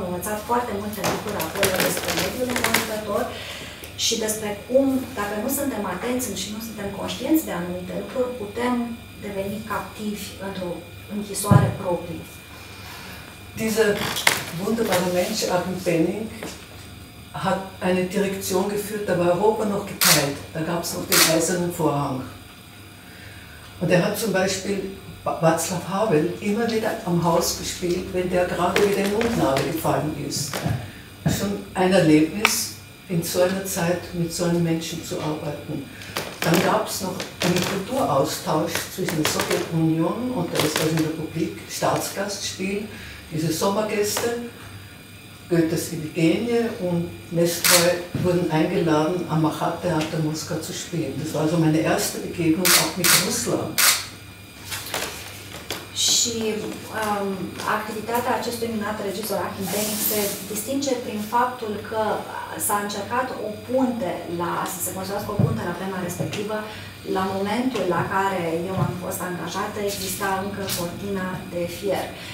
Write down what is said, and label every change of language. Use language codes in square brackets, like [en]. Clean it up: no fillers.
[ro] Am învățat foarte multe lucruri acolo despre mediul înconjurător și despre cum, dacă nu suntem atenți și nu suntem conștienți de anumite lucruri, putem deveni captivi într-o închisoare proprie. [de] Dieser wunderbare Mensch, Arne Penning, hat eine Direktion geführt, da war Europa noch geteilt, da gab es noch den eisernen Vorhang. Und er hat zum Beispiel Václav Havel immer wieder am Haus gespielt, wenn der gerade wieder in Ungnade gefallen ist. Schon ein Erlebnis, in so einer Zeit mit so einem Menschen zu arbeiten. Dann gab es noch einen Kulturaustausch zwischen der Sowjetunion und der Österreichischen Republik, Staatsgastspiel, diese Sommergäste, Goethes Iphigenie und Nestroy wurden eingeladen, am Machat-Theater Moskau zu spielen. Das war also meine erste Begegnung auch mit Russland. [ro] Și activitatea acestui minunat regizor Achim Benning se distinge prin faptul că s-a încercat o punte la, să se construiască o punte la vremea respectivă, la momentul la care eu am fost angajată, exista încă cortina de fier.